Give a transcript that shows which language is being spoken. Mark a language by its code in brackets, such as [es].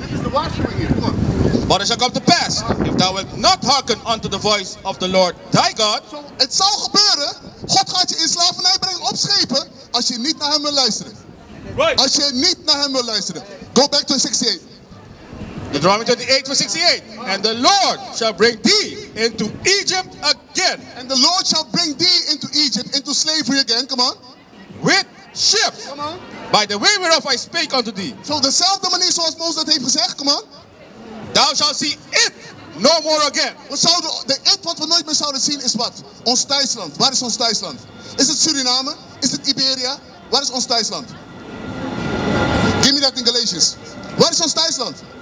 [en] This is the waarschuwing here. Come on. But it shall come to pass, if thou wilt not hearken unto the voice of the Lord thy God. [nl] Het zal gebeuren, God gaat je in slavernij brengen op schepen, als je niet naar hem wil luisteren. [en] Right. [nl] Als je niet naar hem wil luisteren. [en] Go back to 68. Deuteronomy 28, verse 68. And the Lord shall bring thee into Egypt again. And the Lord shall bring thee into Egypt, into slavery again. Come on. With ships. Come on. By the way whereof I speak unto thee. [nl] So dezelfde manier zoals Moses dat heeft gezegd. [en] Come on. Thou shalt see it no more again. [nl] We zouden, de it wat we nooit meer zouden zien is wat? Ons thuisland. Waar is ons thuisland? Is het Suriname? Is het Iberia? Waar is ons thuisland? [en] Give me that in Galatians. [nl] Waar is ons thuisland?